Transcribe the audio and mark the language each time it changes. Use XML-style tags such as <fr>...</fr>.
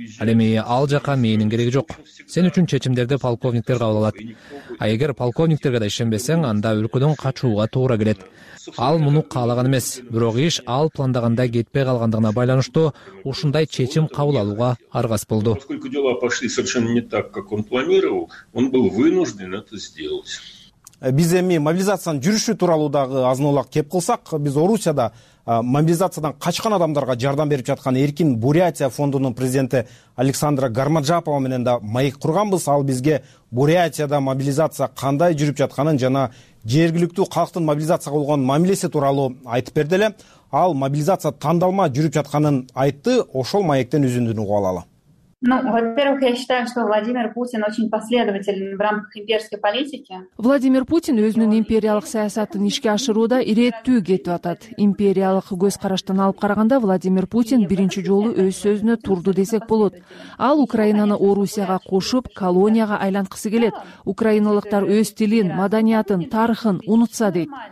<ky>Ал эми ал жака мээнин кереги жок. Сен үчүн чечимдерди полковниктер кабыл алат. А эгер полковниктерге да ишенбесең, анда өлкөдөн качууга туура келет. Ал муну каалаган эмес, бирок иш ал пландагандай кетпей калгандыгына байланыштуу ушундай чечим кабыл алууга аргасыз болду.</ky> <ru>Поскольку дела пошли совершенно не так, как он планировал, он был вынужден это сделать.</ru> <ky>Биз эми мобилизациянын жүрүшү тууралуу дагы азын улак кеп кылсак, биз Орусияда мобилизациядан качкан адамдарга жардам берип жаткан Эркин Бурятия фондунун президенти Александра Гармаджапова менен да маек курганбыз. Ал бизге Бурятияда мобилизация кандай жүрүп жатканын жана жергиликтүү калктын мобилизацияга болгон мамилеси тууралуу айтып берди эле. Ал мобилизация тандалма жүрүп жатканын айтты. Ошол маектен үзүндүнү уга алалы.</ky> <ru>Ну, во-первых, я считаю, что Владимир Путин очень последователен в рамках имперской политики.</ru> <ky>Владимир Путин өзүнүн империялык саясатын ишке ашырууда иреттүү кетип атат. Империялык көз караштан алып караганда Владимир Путин биринчи жолу өз сөзүнө турду десек болот. Ал Украинаны Орусияга кошуп, колонияга айланткысы келет. Украиналыктар өз тилин, маданиятын, тарыхын унутса дейт.</ky>